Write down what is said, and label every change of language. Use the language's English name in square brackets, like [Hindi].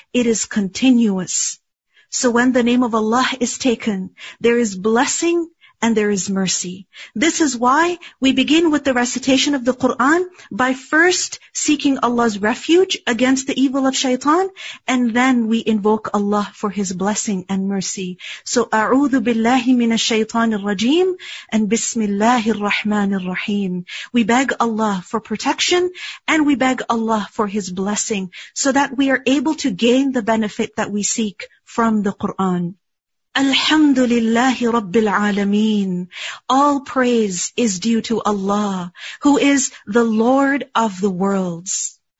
[English] It is continuous. So when the name of Allah is taken, there is blessing and there is mercy. This is why we begin with the recitation of the Qur'an by first seeking Allah's refuge against the evil of shaitan, and then we invoke Allah for his blessing and mercy. [Arabic] So, أَعُوذُ بِاللَّهِ مِنَ الشَّيْطَانِ الرَّجِيمِ and بِسْمِ اللَّهِ الرَّحْمَنِ الرَّحِيمِ. [English] We beg Allah for protection, and we beg Allah for his blessing, so that we are able to gain the benefit that we seek from the Qur'an. [Arabic] Alhamdulillahi Rabbil Alameen. [English] All praise is due to Allah, who is the Lord of the worlds.